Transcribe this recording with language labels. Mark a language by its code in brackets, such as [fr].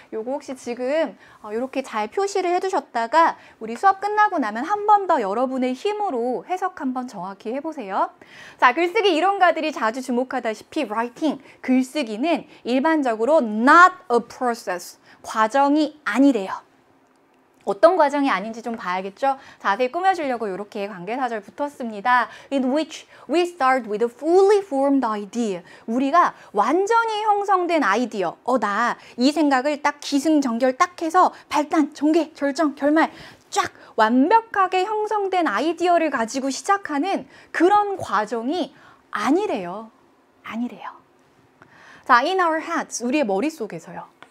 [ko] 요거 혹시 지금 이렇게 잘 표시를 해두셨다가 우리 수업 끝나고 나면 한 번 더 여러분의 힘으로 해석 한번 정확히 해보세요. 자, 글쓰기 이론가들이 자주 주목하다시피 writing, 글쓰기는 일반적으로 not a process, 과정이 아니래요. 어떤 과정이 아닌지 좀 봐야겠죠? 자세히 꾸며주려고 이렇게 관계사절 붙었습니다. [en] In which we start with a fully formed idea. [ko] 우리가 완전히 형성된 아이디어. 나 이 생각을 딱 기승전결 딱 해서 발단, 전개, 절정, 결말 쫙 완벽하게 형성된 아이디어를 가지고 시작하는 그런 과정이 아니래요. 아니래요. 자, in our heads, 우리의 머릿속에서요.